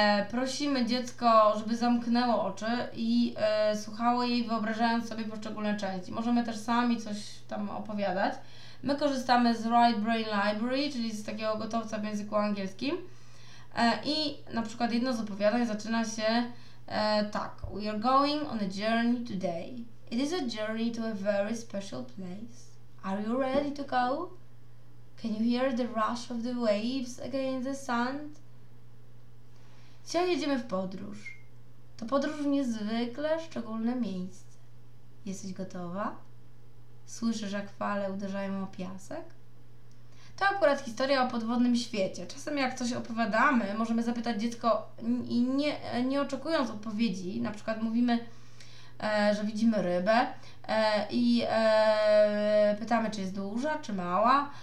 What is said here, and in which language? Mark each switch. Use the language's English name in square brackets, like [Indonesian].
[Polish] Prosimy dziecko, żeby zamknęło oczy i słuchało jej, wyobrażając sobie poszczególne części. Możemy też sami coś tam opowiadać. My korzystamy z Right Brain Library, czyli z takiego gotowca w języku angielskim. I na przykład jedno z opowiadań zaczyna się tak. [English] We are going on a journey today. It is a journey to a very special place. Are you ready to go? Can you hear the rush of the waves against the sand? [Polish] Dzisiaj jedziemy w podróż. To podróż w niezwykle szczególne miejsce. Jesteś gotowa? Słyszysz, jak fale uderzają o piasek? To akurat historia o podwodnym świecie. Czasem jak coś opowiadamy, możemy zapytać dziecko i nie oczekując odpowiedzi, na przykład mówimy, że widzimy rybę i pytamy, czy jest duża, czy mała.